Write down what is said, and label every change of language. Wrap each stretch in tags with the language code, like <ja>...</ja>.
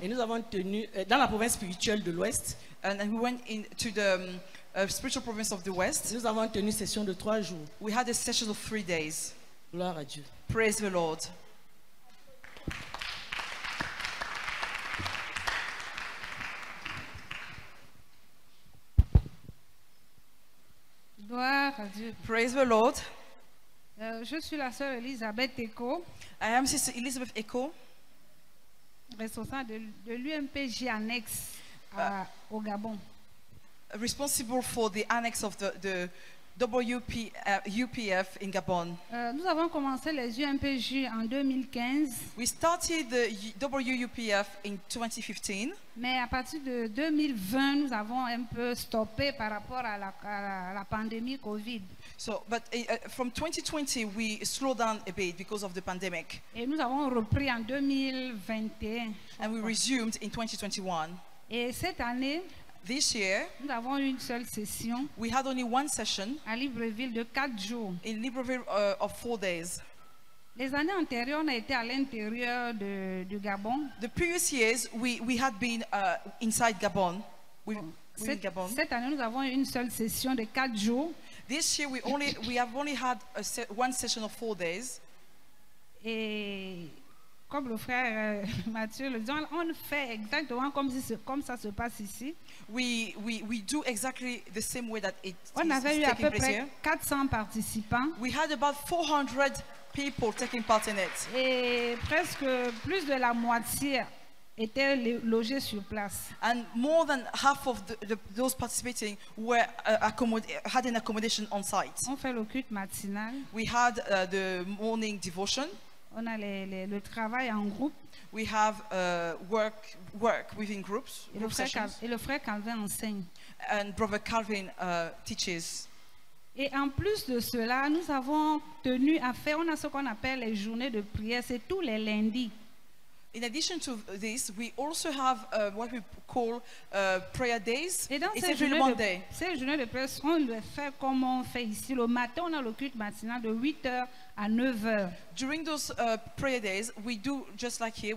<fr>Et nous avons tenu dans la province spirituelle de l'Ouest.</fr> <en>And we went into the spiritual province of the West.</en> <fr>Nous avons tenu session de 3 jours.</fr> <en>We had a session of 3 days.</en> <fr>Gloire à Dieu.</fr> <en>Praise the Lord.</en> <fr>Gloire à Dieu.</fr> <en>Praise the Lord.</en> <fr>Je suis la sœur Elisabeth Echo.</fr> <en>I am Sister Elizabeth Echo.</en> <fr>Responsable de l'UMPJ annex au Gabon.</fr> <en>Responsible for the annex of the WUPF in Gabon.</en> <fr>Nous avons commencé les UMPJ en 2015.</fr> <en>We started the WUPF in 2015.</en> <fr>Mais à partir de 2020, nous avons un peu stoppé par rapport à la pandémie COVID.</fr> <en>So, but from 2020, we slowed down a bit because of the pandemic.</en> <fr>Et nous avons repris en 2021.</fr> <en>And we resumed in 2021.</en> <fr>Et cette année,</fr> <en>this year,</en> <fr>nous avons une seule session.</fr> <en>We had only one session.</en> <fr>À Libreville de 4 jours.</fr> <en>In Libreville of 4 days.</en> <fr>Les années antérieures, on a été à l'intérieur du Gabon.</fr> <en>The previous years, we had been inside Gabon. Gabon.</en> <fr>Cette année, nous avons une seule session de 4 jours.</fr> <en>This year, we have only had one session of 4 days.</en> <fr>Et comme le frère Mathieu le dit, on fait exactement comme ça se passe ici.</fr> <en>We do exactly the same way that it</en> <fr>on</fr> <en>is</en> <fr>avait eu à peu près</fr> <en>here.</en> <fr>400 participants.</fr> <en>We had about 400 people taking part in it.</en> <fr>Et presque plus de la moitié étaient logés sur place.</fr> <en>And more than half of those participating were had an accommodation on site.</en> <fr>On fait le culte matinal.</fr> <en>We had the morning devotion.</en> <fr>On a le travail en groupe.</fr> <en>We have work within groups.</en> <fr>Et le frère Calvin enseigne.</fr> <en>And brother Calvin teaches.</en> <fr>Et en plus de cela, nous avons tenu à faire, on a ce qu'on appelle les journées de prière, c'est tous les lundis.</fr> <en>In addition to this, we also have what we call prayer days.</en> <fr>Et dans ces journées de prière, on le fait comme on fait ici. Le matin, on a le culte matinal de 8h à 9h.</fr> <en>During those prayer days, we do just like here.</en>